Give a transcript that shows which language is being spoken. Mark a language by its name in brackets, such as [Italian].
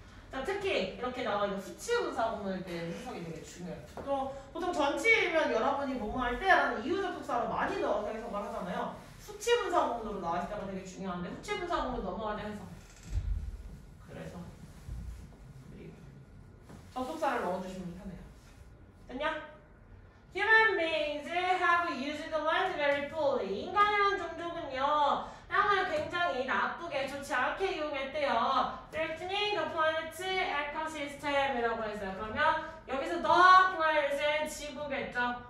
[Korean] 자, 특히 이렇게 나와 있는 수치 분사 부분에 대한 해석이 되게 중요해요. 또 보통 전치이면 여러분이 뭐뭐할 때라는 이유적 속사를 많이 넣어서 해석을 하잖아요. 수치 분사문으로 나와 있다가 되게 중요한데 수치 분사문으로 넘어가는 해석. 그래서 접속사를 넣어주시면 편해요. 됐냐? [English] Human beings have used the land very poorly. [Korean] 인간이란 종족은요 땅을 굉장히 나쁘게 좋지 않게 이용했대요. [English] Threatening the planet's ecosystem이라고 했어요. [Korean] 그러면 여기서 the planet은 지구겠죠.